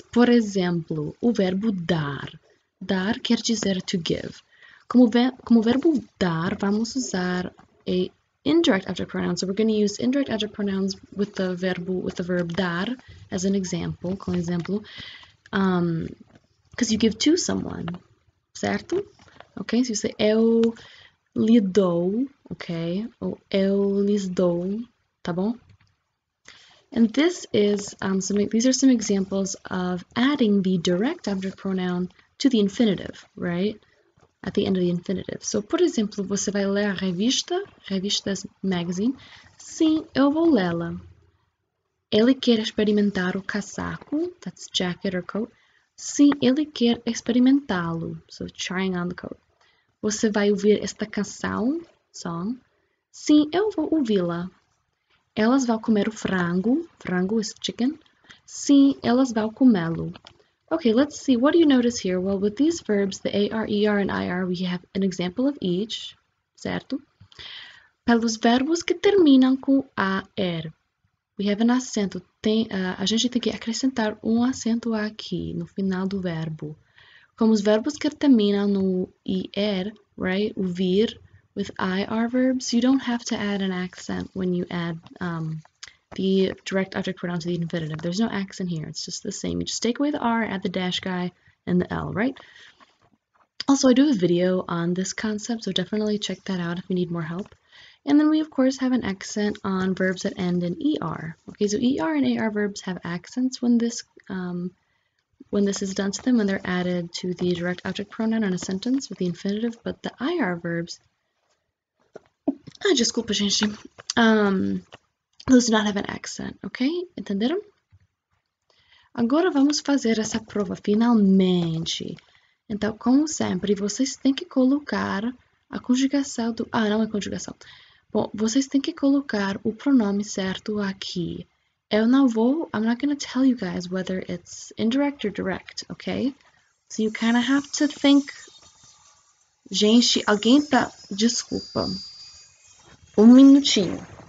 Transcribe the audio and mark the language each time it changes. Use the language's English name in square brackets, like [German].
[Portuguese] Por exemplo, o verbo dar. Dar quer dizer [English] to give. [Portuguese] Como verbo dar, vamos usar a [English] indirect adjective pronoun. So we're going to use indirect adjective pronouns with the verb dar as an example, [Portuguese] como exemplo, [English] because you give to someone, certo? [Portuguese] Ok, se você eu lhe dou, ok, ou eu lhes dou, tá bom? [English] And this is these are some examples of adding the direct object pronoun to the infinitive, right? At the end of the infinitive. [Portuguese] So, por exemplo, você vai ler a revista, revistas magazine. Sim, eu vou lê-la. Ele quer experimentar o casaco, [English] that's jacket or coat. [Portuguese] Sim, ele quer experimentá-lo, [English] so trying on the coat. [Portuguese] Você vai ouvir esta canção, song? Sim, eu vou ouvi-la. Elas vão comer o frango. Frango [English] is chicken. [Portuguese] Sim, elas vão comê-lo. [English] Okay, let's see. What do you notice here? Well, with these verbs, the AR, ER, and IR, we have an example of each, certo? [Portuguese] Pelos verbos que terminam com AR, [English] we have an [Portuguese] acento. A gente tem que acrescentar um acento aqui, no final do verbo. Como os verbos que terminam no ir, right? [English] Vir, with IR verbs, you don't have to add an accent when you add the direct object pronoun to the infinitive. There's no accent here. It's just the same. You just take away the R, add the dash guy, and the L, right? Also, I do a video on this concept, so definitely check that out if you need more help. And then we, of course, have an accent on verbs that end in ER. Okay, so ER and AR verbs have accents when this, when this is done to them, when they're added to the direct object pronoun in a sentence with the infinitive, but the IR verbs, [Portuguese] desculpa, gente, [English] those do not have an accent, ok? [Portuguese] Entenderam? Agora vamos fazer essa prova, finalmente. Então, como sempre, vocês têm que colocar a conjugação do. Ah, não é conjugação. Bom, vocês têm que colocar o pronome certo aqui. Eu não vou. [English] I'm not gonna tell you guys whether it's indirect or direct, okay? So you kind of have to think. [Portuguese] Gente, alguém tá. Desculpa. Um minutinho.